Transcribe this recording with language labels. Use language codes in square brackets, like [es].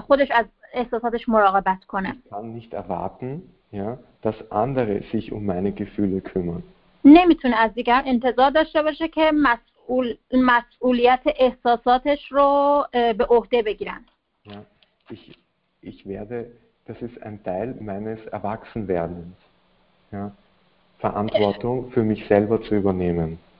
[fa] خودش از احساساتش مراقبت کنه. [de] Ich kann nicht erwarten, ja, dass andere sich um meine Gefühle kümmern. [fa] نمیتونه از دیگران انتظار داشته باشه که مسئولیت احساساتش رو به عهده بگیرن. [de] Ja, ich werde, das ist ein Teil meines Erwachsenwerdens. Ja. Verantwortung für mich selber zu übernehmen.